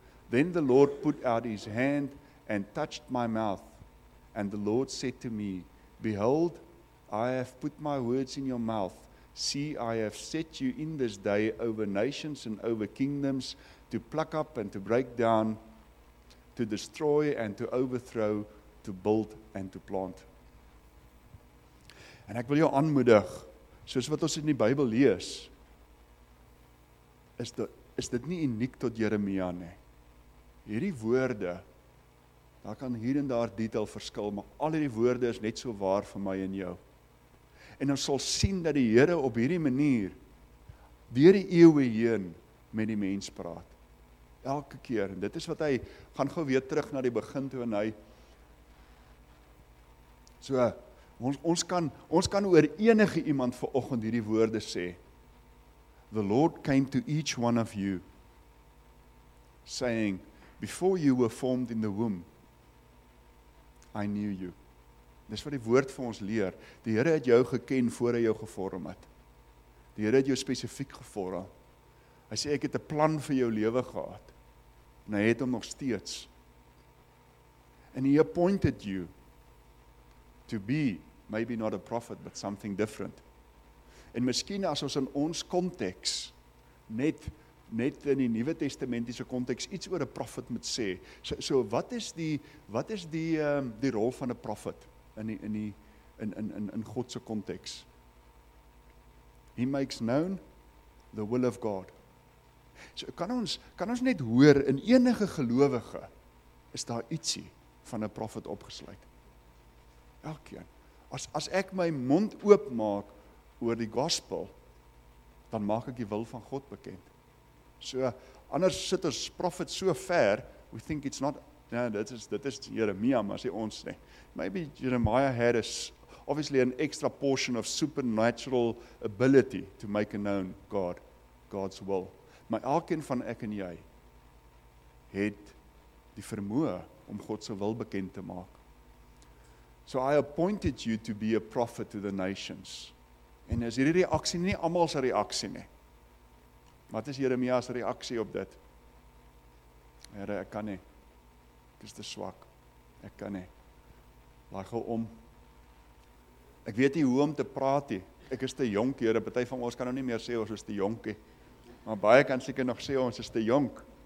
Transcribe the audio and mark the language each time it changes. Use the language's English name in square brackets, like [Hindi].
[English] Then the Lord put out his hand and touched my mouth, and the Lord said to me, Behold, I have put my words in your mouth. See, I have set you in this day over nations and over kingdoms to pluck up and to break down, to destroy and to overthrow, to build and to plant. [Afrikaans] En ek wil jou aanmoedig, soos wat ons in die Bybel lees, is dit nie uniek tot Jeremia nie. Hierdie woorde, daar kan hier en daar detail verskil, maar al hierdie woorde is net so waar vir my en jou. En ons sal sien dat die Here op hierdie manier, deur die eeue heen, met die mens praat. Elke keer, en dit is wat hy, gaan gou weer terug na die begin toe en hy, so, ons kan oor enige iemand vanoggend hierdie woorde sê, [English] The Lord came to each one of you, saying, Before you were formed in the womb, I knew you. [Afrikaans] Dis wat die woord vir ons leer, die Here het jou geken voor hy jou gevorm het. Die Here het jou spesifiek gevorm. Hy sê, ek het 'n plan vir jou lewe gehad. En hy het hom nog steeds. [English] And he appointed you to be, maybe not a prophet, but something different. [Afrikaans] En miskien as ons in ons konteks, net in die Nuwe Testamentiese konteks, iets oor 'n prophet moet sê. So wat is die rol van 'n prophet in die in God se konteks. [English] He makes known the will of God. [Afrikaans] So kan ons net hoor in enige gelowige is daar ietsie van 'n prophet opgesluit. Elkeen. As ek my mond oop maak oor die gospel, dan maak ek die wil van God bekend. So anders sit ons prophet so ver, [English] we think it's not [Afrikaans] dit is Jeremia, maar sê ons nie. [English] Maybe Jeremiah had a obviously an extra portion of supernatural ability to make known God's will. [Afrikaans] Maar elkeen van ek en jy het die vermoë om God se wil bekend te maak. [English] So I appointed you to be a prophet to the nations. [Afrikaans] En is hierdie reaksie nie almal se reaksie nie. Wat is Jeremia se reaksie op dit? Here, ek kan nie. Ek is te swak. Ek kan nie. Laat gou om. Ek weet nie hoe om te praat nie. Ek is te jonk, Here. Party van ons kan nou nie meer sê ons is te jonk nie. Maar baie kan seker nog sê ons is te jonk.